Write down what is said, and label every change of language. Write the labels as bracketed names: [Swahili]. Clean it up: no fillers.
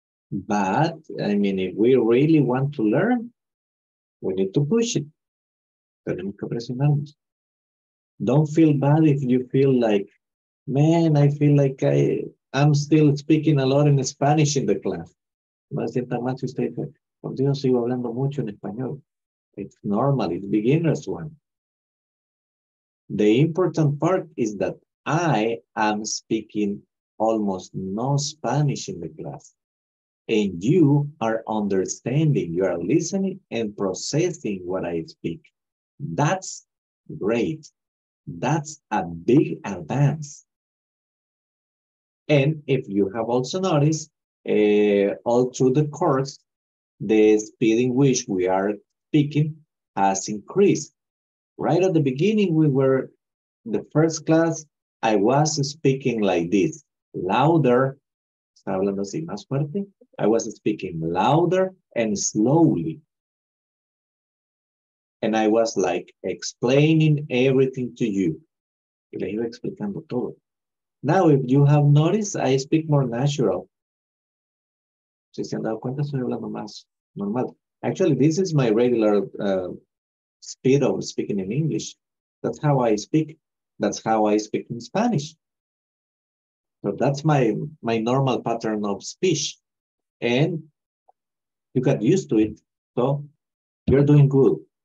[English] But, I mean, if we really want to learn, we need to push it. [Spanish] Tenemos que presionarnos. [English] Don't feel bad if you feel like, man, I feel like I'm still speaking a lot in Spanish in the class. [Spanish] No se sienta mal si usted dice, por Dios, sigo hablando mucho en español. [English] It's normal, it's beginner's one. The important part is that I am speaking almost no Spanish in the class. And you are understanding, you are listening and processing what I speak. That's great. That's a big advance. And if you have also noticed, all through the course, the speed in which we are speaking has increased. Right at the beginning, we were the first class, I was speaking like this, louder. [Spanish] ¿Está hablando así más fuerte? [English] I was speaking louder and slowly. And I was like explaining everything to you. [Spanish] Y le iba explicando todo. [English] Now, if you have noticed, I speak more natural. [Spanish] Si se han dado cuenta, estoy hablando más normal. [English] Actually, this is my regular speed of speaking in English. That's how I speak. That's how I speak in Spanish. So that's my normal pattern of speech. And you got used to it, so you're doing good.